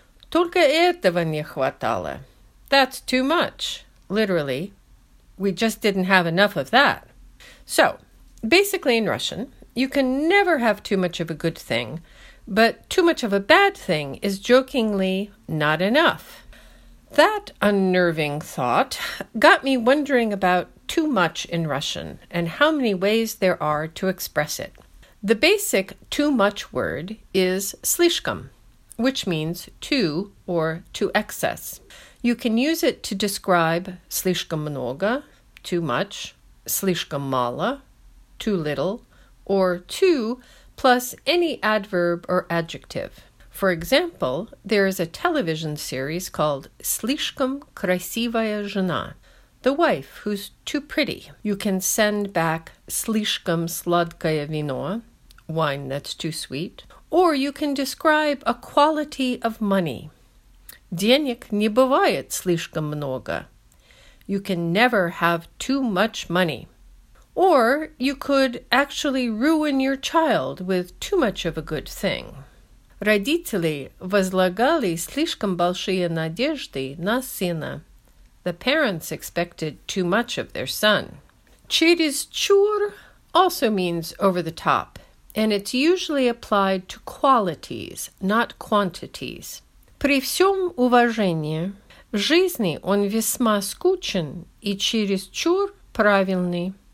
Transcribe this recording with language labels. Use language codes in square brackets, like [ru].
[ru] Только этого не хватало. [en] That's too much. Literally, we just didn't have enough of that. So, basically in Russian, you can never have too much of a good thing, but too much of a bad thing is jokingly not enough. That unnerving thought got me wondering about too much in Russian and how many ways there are to express it. The basic too much word is slishkom, which means too or to excess. You can use it to describe [ru] slishkom mnogo, [en] too much, [ru] slishkom malo, [en] too little, or too plus any adverb or adjective. For example, there is a television series called [ru] Slishkom Krasivaya Zhena, [en] the wife who's too pretty. You can send back [ru] Slishkom Sladkaya Vino, [en] wine that's too sweet, or you can describe a quality of money. [ru] Денег не бывает слишком много. [en] You can never have too much money. Or you could actually ruin your child with too much of a good thing. [ru] Родители возлагали слишком большие надежды на сына. [en] The parents expected too much of their son. Чересчур also means over the top, and it's usually applied to qualities, not quantities. [ru] При всем уважении, жизни он весьма скучен и чересчур правильный.